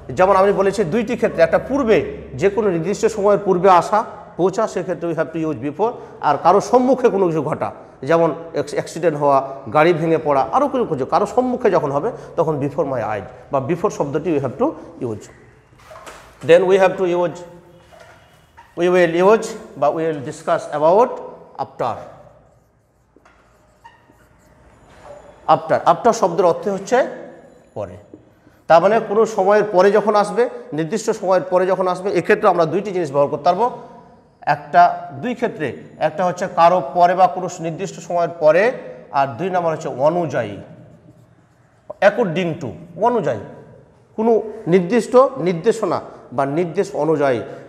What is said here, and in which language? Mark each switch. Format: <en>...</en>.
<bn>যেমন আমি বলেছি দুইটি ক্ষেত্রে, একটা পূর্বে, যে কোনো নির্দিষ্ট সময়ের পূর্বে আসা পৌঁছা, সেক্ষেত্রে</bn> <en>We have to use before.</en> <bn>আর কারো সম্মুখে কোনো কিছু ঘটা, যেমন অ্যাক্সিডেন্ট হওয়া, গাড়ি ভেঙে পড়া, আরও কোনো কিছু কারো সম্মুখে যখন হবে তখন</bn> <en>before my eyes</en> <bn>বা বিফোর শব্দটি</bn> <en>We have to use. Then we have to use we will use but we will discuss about after.</en> <bn>After, after শব্দের অর্থ হচ্ছে পরে, তার মানে কোনো সময়ের পরে যখন আসবে, নির্দিষ্ট সময়ের পরে যখন আসবে, এক্ষেত্রে আমরা দুইটি জিনিস ব্যবহার করতে পারবো। একটা দুই ক্ষেত্রে, একটা হচ্ছে কারো পরে বা কোনো নির্দিষ্ট সময়ের পরে, আর দুই নম্বর হচ্ছে অনুযায়ী, অ্যাকর্ডিং টু, অনুযায়ী কোনো নির্দিষ্ট নির্দেশনা বা নির্দেশ অনুযায়ী।</bn>